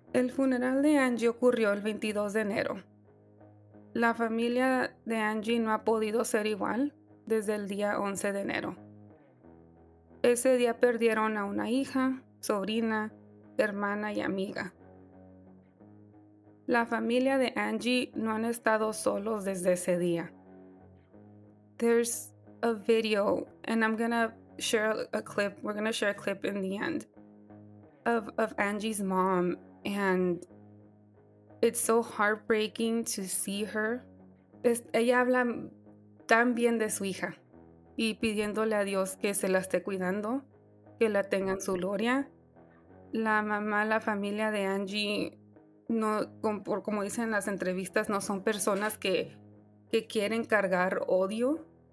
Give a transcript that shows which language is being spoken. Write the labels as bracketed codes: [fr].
[es] El funeral de Anggy ocurrió el 22 de enero. La familia de Anggy no ha podido ser igual desde el día 11 de enero. Ese día perdieron a una hija, sobrina, hermana y amiga. La familia de Anggy no han estado solos desde ese día. [en] There's a video, and I'm gonna share a clip. We're gonna share a clip in the end of Anggy's mom, and it's so heartbreaking to see her. [es] Ella habla tan bien de su hija y pidiéndole a Dios que se la esté cuidando, que la tenga en su gloria. La mamá, la familia de Anggy, no, como dicen en las entrevistas, no son personas que quieren cargar odio.